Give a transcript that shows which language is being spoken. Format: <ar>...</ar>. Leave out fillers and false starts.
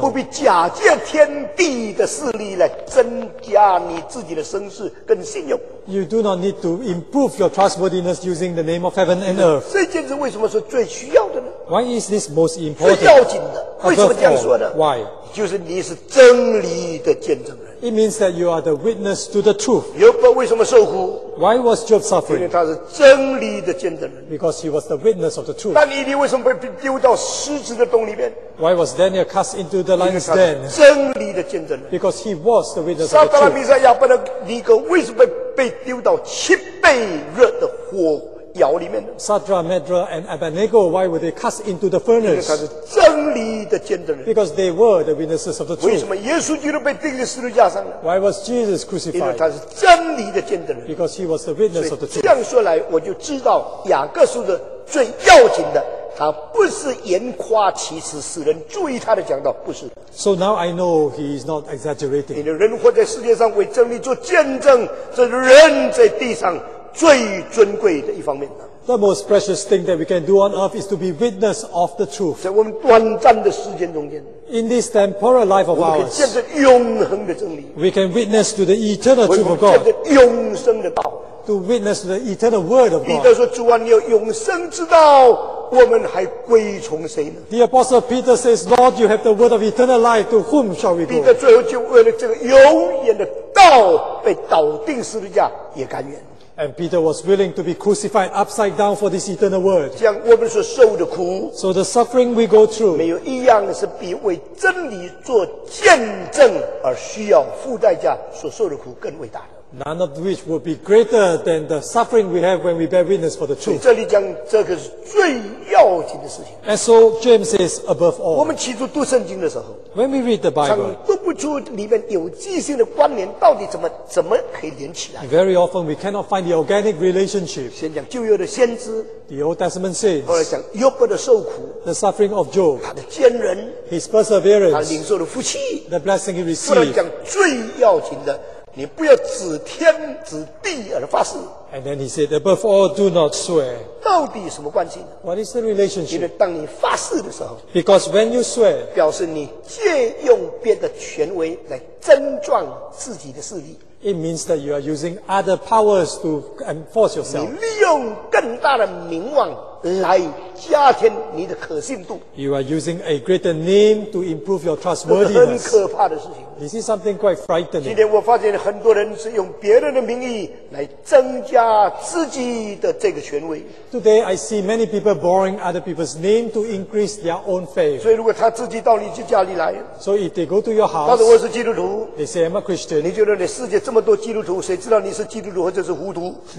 <zh>不必假借天地的势力来增加你自己的声势跟信用。</zh> <en>You do not need to improve your trustworthiness using the name of heaven and earth.</en> <zh>这件事为什么是最需要的呢？</zh> <en>Why is this most important?</en> <zh>最要紧的。为什么这样说呢？</zh> <en>Why?</en> <zh>就是你是真理的见证人。</zh> <en>It means that you are the witness to the truth.</en> <zh>约伯为什么受苦？</zh> <en>Why was Job suffering?</en> <zh>因为他是真理的见证人。</zh> <en>Because he was the witness of the truth.</en> <zh>但以利为什么被丢到狮子的洞里面？</zh> <en>Why was Daniel cast into the lion's den?</en> <zh>因为他是真理的见证人。</zh> <en>Because he was the witness of the truth.</en> <zh>撒巴拉、米撒、亚伯拉、尼格为什么被丢到七倍热的火窑里面呢？</zh> <en>Shadrach, Meshach, and Abednego, why were they cast into the furnace?</en> <zh>因为他是真理的见证人。</zh> <en>Because they were the witnesses of the truth.</en> <zh>为什么耶稣基督被钉在十字架上呢？</zh> <en>Why was Jesus crucified?</en> <zh>因为他是真理的见证人。</zh> <en>Because he was the witness of the truth.</en> <zh>这样说来，我就知道雅各书的最要紧的，他不是言夸其词，使人注意他的讲道，不是。</zh> <en>So now I know he is not exaggerating.</en> <zh>因为人活在世界上为真理做见证，这人在地上最尊贵的一方面。</zh> <en>The most precious thing that we can do on earth is to be witness of the truth.</en> <zh>在我们短暂的时间中间，</zh> <en>in this temporal life of ours,</en> <zh>我们可以见证永恒的真理。</zh> <en>We can witness to the eternal truth of God.</en> <zh>我们见证永生的道。</zh> <en>To witness the eternal word of God.</en> <zh>彼得说：“主啊，你有永生之道。” 我们还归从谁呢？</zh> <en>The Apostle Peter says, Lord, you have the word of eternal life, to whom shall we go?</en> <zh>彼得最后就为了这个永远的道被倒定十字架也甘愿。</zh> <en>And Peter was willing to be crucified upside down for this eternal word.</en> <zh>这样我们所受的苦，</zh> <en>so the suffering we go through,</en> <zh>没有一样是比为真理做见证而需要付代价所受的苦更伟大的。</zh> <en>None of which will be greater than the suffering we have when we bear witness for the truth.</en> <zh>这里讲这个是最要紧的事情。</zh> <en>And so James says, above all,</en> <zh>我们起初读圣经的时候，</zh> <en>when we read the Bible,</en> <zh>读不出里面有机性的关联，到底怎么可以连起来？</zh> <en>Very often we cannot find the organic relationship.</en> <zh>先讲旧约的先知，</zh> <en>the Old Testament saints,</en> <zh>后来讲约伯的受苦，</zh> <en>the suffering of Job,</en> <zh>他的坚韧，</zh> <en>his perseverance,</en> <zh>他领受的福气，</zh> <en>the blessing he received.</en> <zh>后来讲最要紧的，你不要指天指地而发誓。</zh> <en>And then he said, above all, do not swear.</en> <zh>到底什么关系呢？</zh> <en>What is the relationship?</en> <zh>因为当你发誓的时候，</zh> <en>Because when you swear,</en> <zh>表示你借用别的权威来争撞自己的势力。</zh> <en>It means that you are using other powers to enforce yourself.</en> <zh>你利用更大的名望来加添你的可信度。</zh> <en>You are using a greater name to improve your trustworthiness.</en> <zh>很可怕的事情。</zh> <en>This is something quite frightening.</en> <zh>今天我发现很多人是用别人的名义来增加自己的这个权威。</zh> <en>Today I see many people borrowing other people's name to increase their own faith.</en> <zh>所以如果他自己到你家里来</zh> <en>，So if they go to your house,</en> <zh>他说我是基督徒</zh> <en>，They say I'm a Christian.</en> <zh>你觉得你世界这么多基督徒，谁知道你是基督徒或者是糊涂</zh>